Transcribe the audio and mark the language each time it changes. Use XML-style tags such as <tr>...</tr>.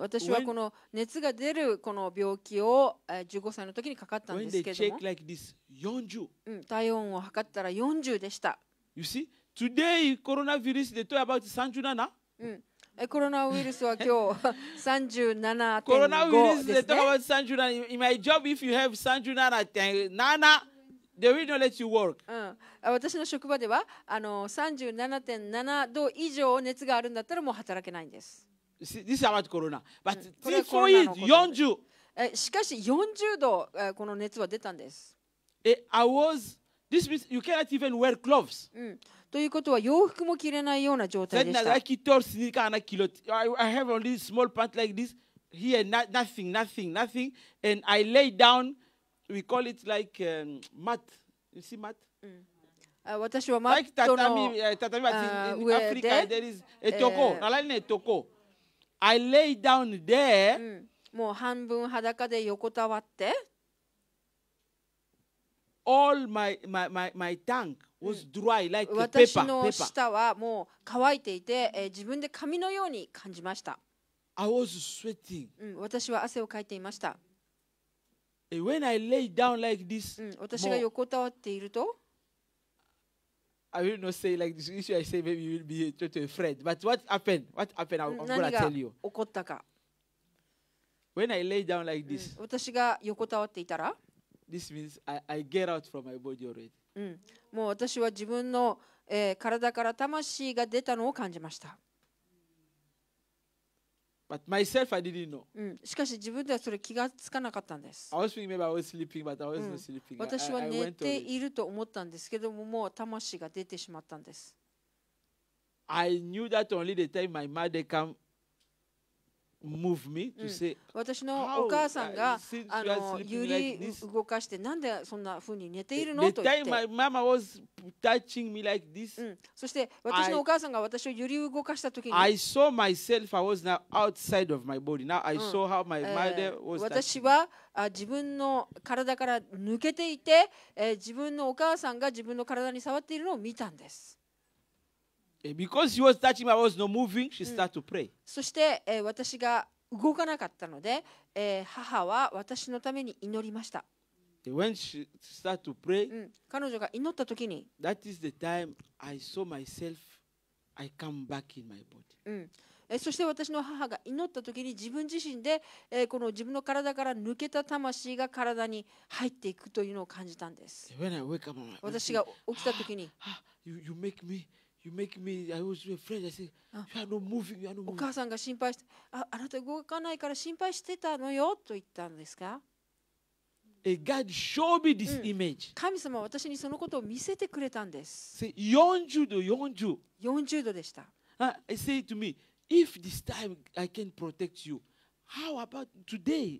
<ja>私はこの熱が出るこの病気を15歳の時にかかったんですけども。</ja> <en>When they check like this, 40.</en> <ja>体温を測ったら40でした。</ja> <en>You see? Today, coronavirus, they talk about 37.</en> <ja>コロナウイルスは今日 37.5 ですね。コロナウイルスで</ja> <en>talk about 37. In my job, if you have 37.7, they will not let you work.</en> <ja>私の職場では37.7 度以上熱があるんだったらもう働けないんです。</ja> <en>This is about corona. But typhoid, 40.</en> <ja>しかし40度この熱は出たんです。</ja> <en>This means you cannot even wear clothes.</en> <ja>ということは洋服も着れないような状態でした。</ja> <en>Then I keep wearing sneakers. I have only small pants like this here. Nothing. And I lay down. We call it like mat. You see mat?</en> <ja>私はマットの。</ja> <en>Like tatami, tatami. In Africa, there is a toko.</en> <ja>なられないトコ。</ja> <en>I lay down there.</en> <ja>もう半分裸で横たわって。</ja> <en>All my tongue was dry like paper.</en> <ja>私の舌はもう乾いていて、自分で紙のように感じました。</ja> <en>I was sweating.</en> <ja>私は汗をかいていました。</ja> <en>When I lay down like this,</en> <ja>私が横たわっていると、</ja> <en>I will not say like this. If I say, maybe you will be totally afraid. But what happened? What happened? I'm gonna tell you.</en> <ja>何が起こったか。</ja> <en>When I lay down like this,</en> <ja>私が横たわっていたら。</ja> <en>This means I get out from my body already.</en> <ja>もう私は自分の、体から魂が出たのを感じました。</ja> <en>But myself, I didn't know.</en> <ja>しかし自分ではそれ気がつかなかったんです。</ja> <en>I was thinking maybe I was sleeping, but I was not sleeping.</en> <ja>私は寝ていると思ったんですけども、もう魂が出てしまったんです。</ja> <en>I knew that only the time my mother came. Move me to say,</en> <ja>私のお母さんが揺り動かしてなんでそんな風に寝ているのと言って</ja> <en>The time my mama was touching me like this,</en> <ja>そして私のお母さんが私を揺り動かした時に</ja> <en>I saw myself, I was now outside of my body. Now I saw how my mother was touching.</en> <ja>私は自分の体から抜けていて、自分のお母さんが自分の体に触っているのを見たんです。</ja> <en>Because she was touching me, I was not moving. She started to pray.</en> <ja>そして、私が動かなかったので、母は私のために祈りました。</ja> <en>When she started to pray,</en> <ja>彼女が祈った時に、</ja> <en>That is the time I saw myself. I come back in my body.</en> <ja>そして私の母が祈った時に自分自身で、この自分の体から抜けた魂が体に入っていくというのを感じたんです。</ja> <en>When I wake up,</en> <ja>私が起きた時に、</ja> <en>You make me. You make me. I was afraid. I said, "You are not moving. You are not moving."</en> <ja>お母さんが心配して、あなた動かないから心配してたのよと言ったんですか。</ja> <en>A God showed me this image.</en> <ja>神様は私にそのことを見せてくれたんです。</ja> <en>Say 40°, 40°, 40°</en> <ja>でした。</ja> <en>I say to me, if this time I can protect you, how about today?</en>